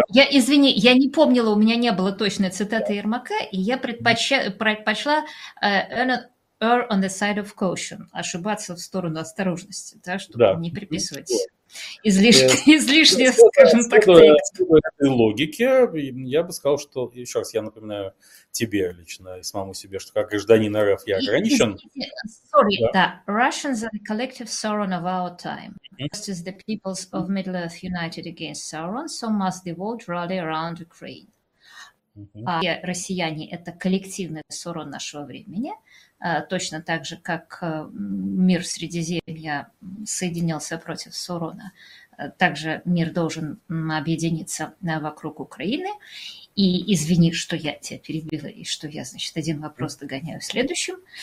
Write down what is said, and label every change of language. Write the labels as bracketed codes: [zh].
[ru] Извини, я не помнила, у меня не было точной цитаты Ермака, и я предпочла [en] err on the side of caution, [ru] ошибаться в сторону осторожности, да, чтобы не приписывать... Излишне, скажем так. Логике, я бы сказал, что, еще раз, я напоминаю тебе лично и самому себе, что как гражданин РФ я ограничен. [en] Russians are the collective Sauron of our time. Just as the peoples of Middle Earth united against Sauron, so must the world rally around Ukraine. [ru] Россияне – это коллективный Sauron нашего времени. Точно так же, как мир Средиземья соединился против Саурона, также мир должен объединиться вокруг Украины. И извини, что я тебя перебила, и что я, значит, один вопрос догоняю в следующем.